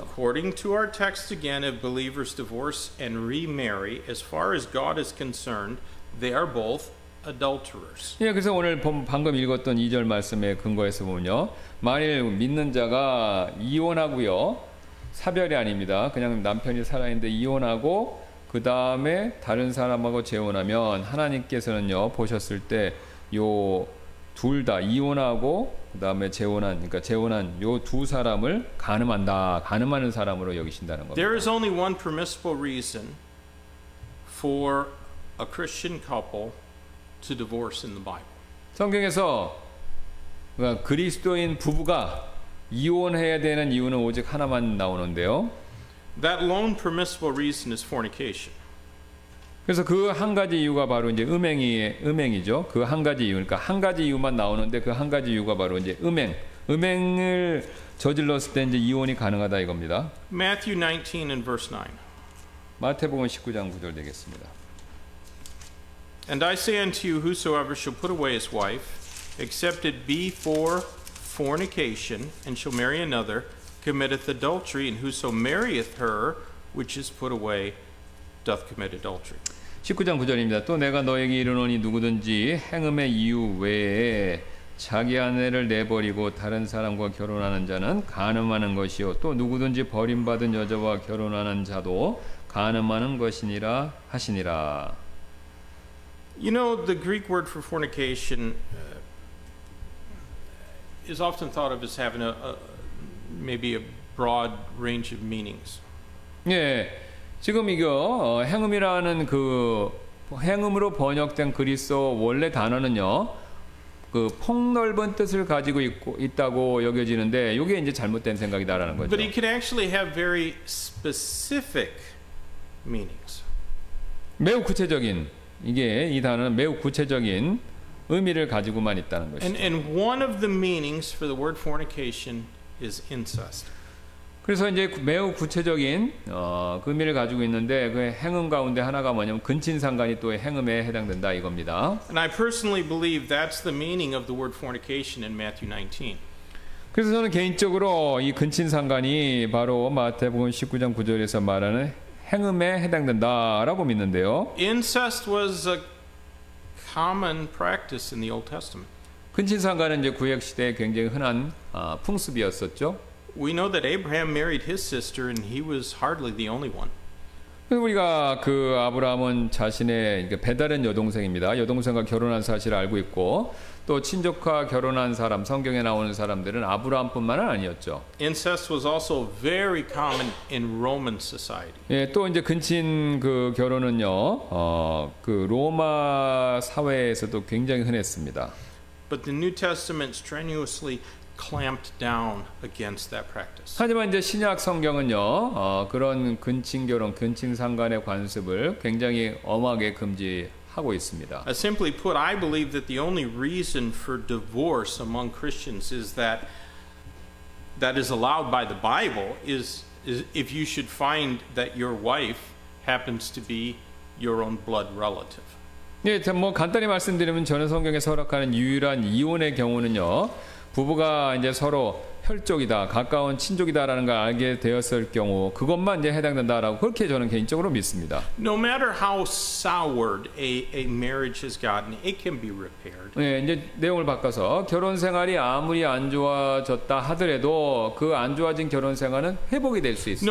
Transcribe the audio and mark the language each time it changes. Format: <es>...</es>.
<en>And according to our text again, if believers divorce and remarry, as far as God is concerned, they are both adulterers.</en> <ko>예, 그래서 오늘 방금 읽었던 2절 말씀에 근거해서 보면요, 만일 믿는 자가 이혼하고요. 사별이 아닙니다. 그냥 남편이 살아있는데 이혼하고 그 다음에 다른 사람하고 재혼하면 하나님께서는요 보셨을 때 요 둘 다 이혼하고 그 다음에 재혼한 그러니까 재혼한 요 두 사람을 가늠하는 사람으로 여기신다는 겁니다.</ko> <en>There is only one permissible reason for a Christian couple to divorce in the Bible.</en> <ko>성경에서 그리스도인 부부가 이혼해야 되는 이유는 오직 하나만 나오는데요.</ko> <en>That lone permissible reason is fornication.</en> <ko>그래서 그 한 가지 이유가 바로 이제 음행이죠. 그 한 가지 이유, 그러니까 한 가지 이유만 나오는데 그 한 가지 이유가 바로 이제 음행. 음행을 저질렀을 때 이제 이혼이 가능하다 이겁니다.</ko> <en>Matthew 19 and verse 9.</en> <ko>마태복음 19장 9절 되겠습니다.</ko> <en>And I say unto you, whosoever shall put away his wife, except it be for fornication, and shall marry another, committeth adultery, and whoso marrieth her, which is put away, doth commit adultery.</en> <ko>19장 9절입니다. 또 내가 너에게 이르노니 누구든지 행음의 이유 외에 자기 아내를 내버리고 다른 사람과 결혼하는 자는 간음하는 것이요 또 누구든지 버림받은 여자와 결혼하는 자도 간음하는 것이니라 하시니라.</ko> <en>You know, the Greek word for fornication is often thought of as having maybe a broad range of meanings.</en> <ko>예. 지금 이거 행음이라는 그 행음으로 번역된 그리스어 원래 단어는요. 그 폭넓은 뜻을 가지고 있다고 여겨지는데 이게 이제 잘못된 생각이다라는 거죠.</ko> <en>But it can actually have very specific meanings.</en> <ko>매우 구체적인 이게 이 단어는 매우 구체적인 의미를 가지고만 있다는 것이죠.</ko> <en>And one of the meanings for the word fornication is incest.</en> <ko>그래서 이제 매우 구체적인 그 의미를 가지고 있는데 그 행음 가운데 하나가 뭐냐면 근친상간이 또 행음에 해당된다 이겁니다.</ko> <en>And I personally believe that's the meaning of the word fornication in Matthew 19.</en> <ko>그래서 저는 개인적으로 이 근친상간이 바로 마태복음 19장 9절에서 말하는 행음에 해당된다라고 믿는데요.</ko> <en>Incest was a common practice in the Old Testament.</en> <ko>근친상간은 이제 구약 시대에 굉장히 흔한 풍습이었었죠.</ko> <en>We know that Abraham married his sister, and he was hardly the only one.</en> <ko>우리가 그 아브라함은 자신의 배다른 여동생입니다. 여동생과 결혼한 사실을 알고 있고, 또 친족과 결혼한 사람, 성경에 나오는 사람들은 아브라함뿐만은 아니었죠.</ko> <en>Incest was also very common in Roman society.</en> <ko>예, 또 이제 근친 그 결혼은요, 그 로마 사회에서도 굉장히 흔했습니다.</ko> <en>But the New Testament strenuously clamped down against that practice.</en> <ko>하지만 이제 신약 성경은요, 그런 근친 결혼, 근친 상간의 관습을 굉장히 엄하게 금지하고 있습니다.</ko> <en>Simply put, I believe that the only reason for divorce among Christians is that that is allowed by the Bible is if you should find that your wife happens to be your own blood relative.</en> <ko>네, 예, 뭐 간단히 말씀드리면 전의 성경에서 허락하는 유일한 이혼의 경우는요. 부부가 이제 서로 혈족이다, 가까운 친족이다라는 걸 알게 되었을 경우 그것만 이제 해당된다라고 그렇게 저는 개인적으로 믿습니다.</ko> <en>No matter how soured a marriage has gotten, it can be repaired.</en> <ko>네, 이제 내용을 바꿔서 결혼 생활이 아무리 안 좋아졌다 하더라도 그 안 좋아진 결혼 생활은 회복이 될 수 있습니다.</ko>